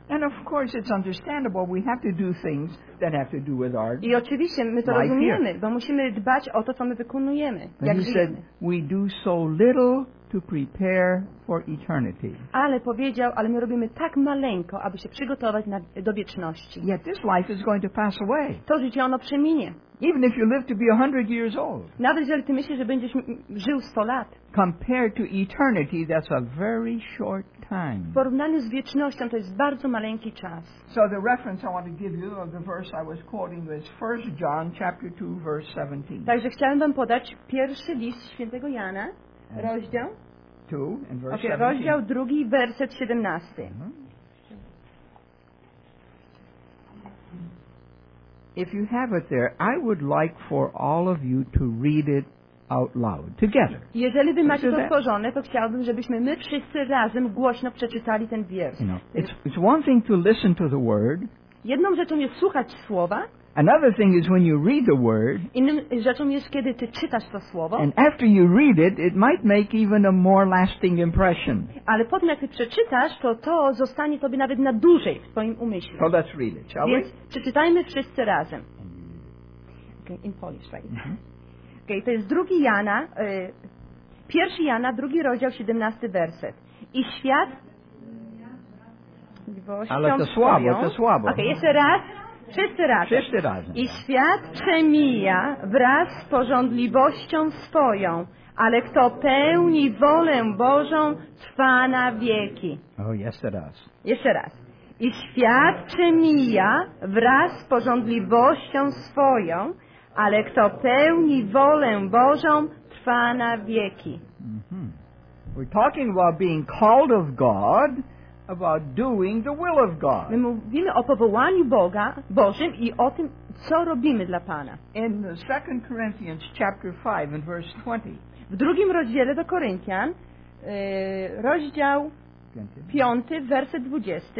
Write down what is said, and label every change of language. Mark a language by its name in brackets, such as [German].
[English] And of course it's understandable, we have to do things that have to do with our life. [Polish] I oczywiście my to rozumiemy, bo musimy dbać o to, co my wykonujemy, jak [English] he said, we do so little to prepare for eternity. [Polish] Ale powiedział, ale my robimy tak maleńko, aby się przygotować do wieczności. [English] Yet this life is going to pass away. [Polish] To życie ono przeminie. [English] Even if you live to be 100 years old. [Polish] Nawet jeżeli ty myślisz, że będziesz żył 100 lat. [English] Compared to eternity, that's a very short time. [Polish] W porównaniu z wiecznością to jest bardzo maleńki czas. [English] So the reference I want to give you of the verse I was quoting was 1 John chapter 2 verse 17. [Polish] Także chciałem wam podać pierwszy list Świętego Jana, rozdział [English] 2 and verse 17. [Polish] Okay, rozdział 2 werset 17. [English] If you have it there, I would like for all of you to read it out loud together. [Polish] Jeżeli by macie to stworzone, to chciałbym, żebyśmy my wszyscy razem głośno przeczytali ten wiersz. [English] You know, it's one thing to listen to the word. [Polish] Jedną rzeczą jest słuchać słowa. [English] Another thing is when you read the word. [Polish] Innym rzeczą jest, kiedy ty czytasz to słowo. [English] And after you read it, it might make even a more lasting impression. [Polish] Ale potem jak ty przeczytasz, to zostanie tobie nawet na dłużej w twoim umyśle. [English] So let's read it, shall we? [Polish] Więc przeczytajmy wszyscy razem. [English] Okay, in Polish, right? Mm-hmm. [Polish] Okay, to jest drugi Jana, pierwszy Jana, drugi rozdział, 17 werset. I świat... Ale to słabo. Okay, jeszcze raz. Wszyscy razem. I świat przemija wraz z porządliwością swoją, ale kto pełni wolę Bożą, trwa na wieki. Jeszcze raz. I świat przemija wraz z porządliwością swoją, ale kto pełni wolę Bożą, trwa na wieki. Mm-hmm. [English] We're talking about being called of God. About doing the will of God. [Polish] My mówimy o powołaniu Boga Bożym i o tym, co robimy dla Pana. [English] In 2 Corinthians chapter 5 and verse 20. [Polish] W drugim rozdziale do Koryntian, rozdział 5, werset 20.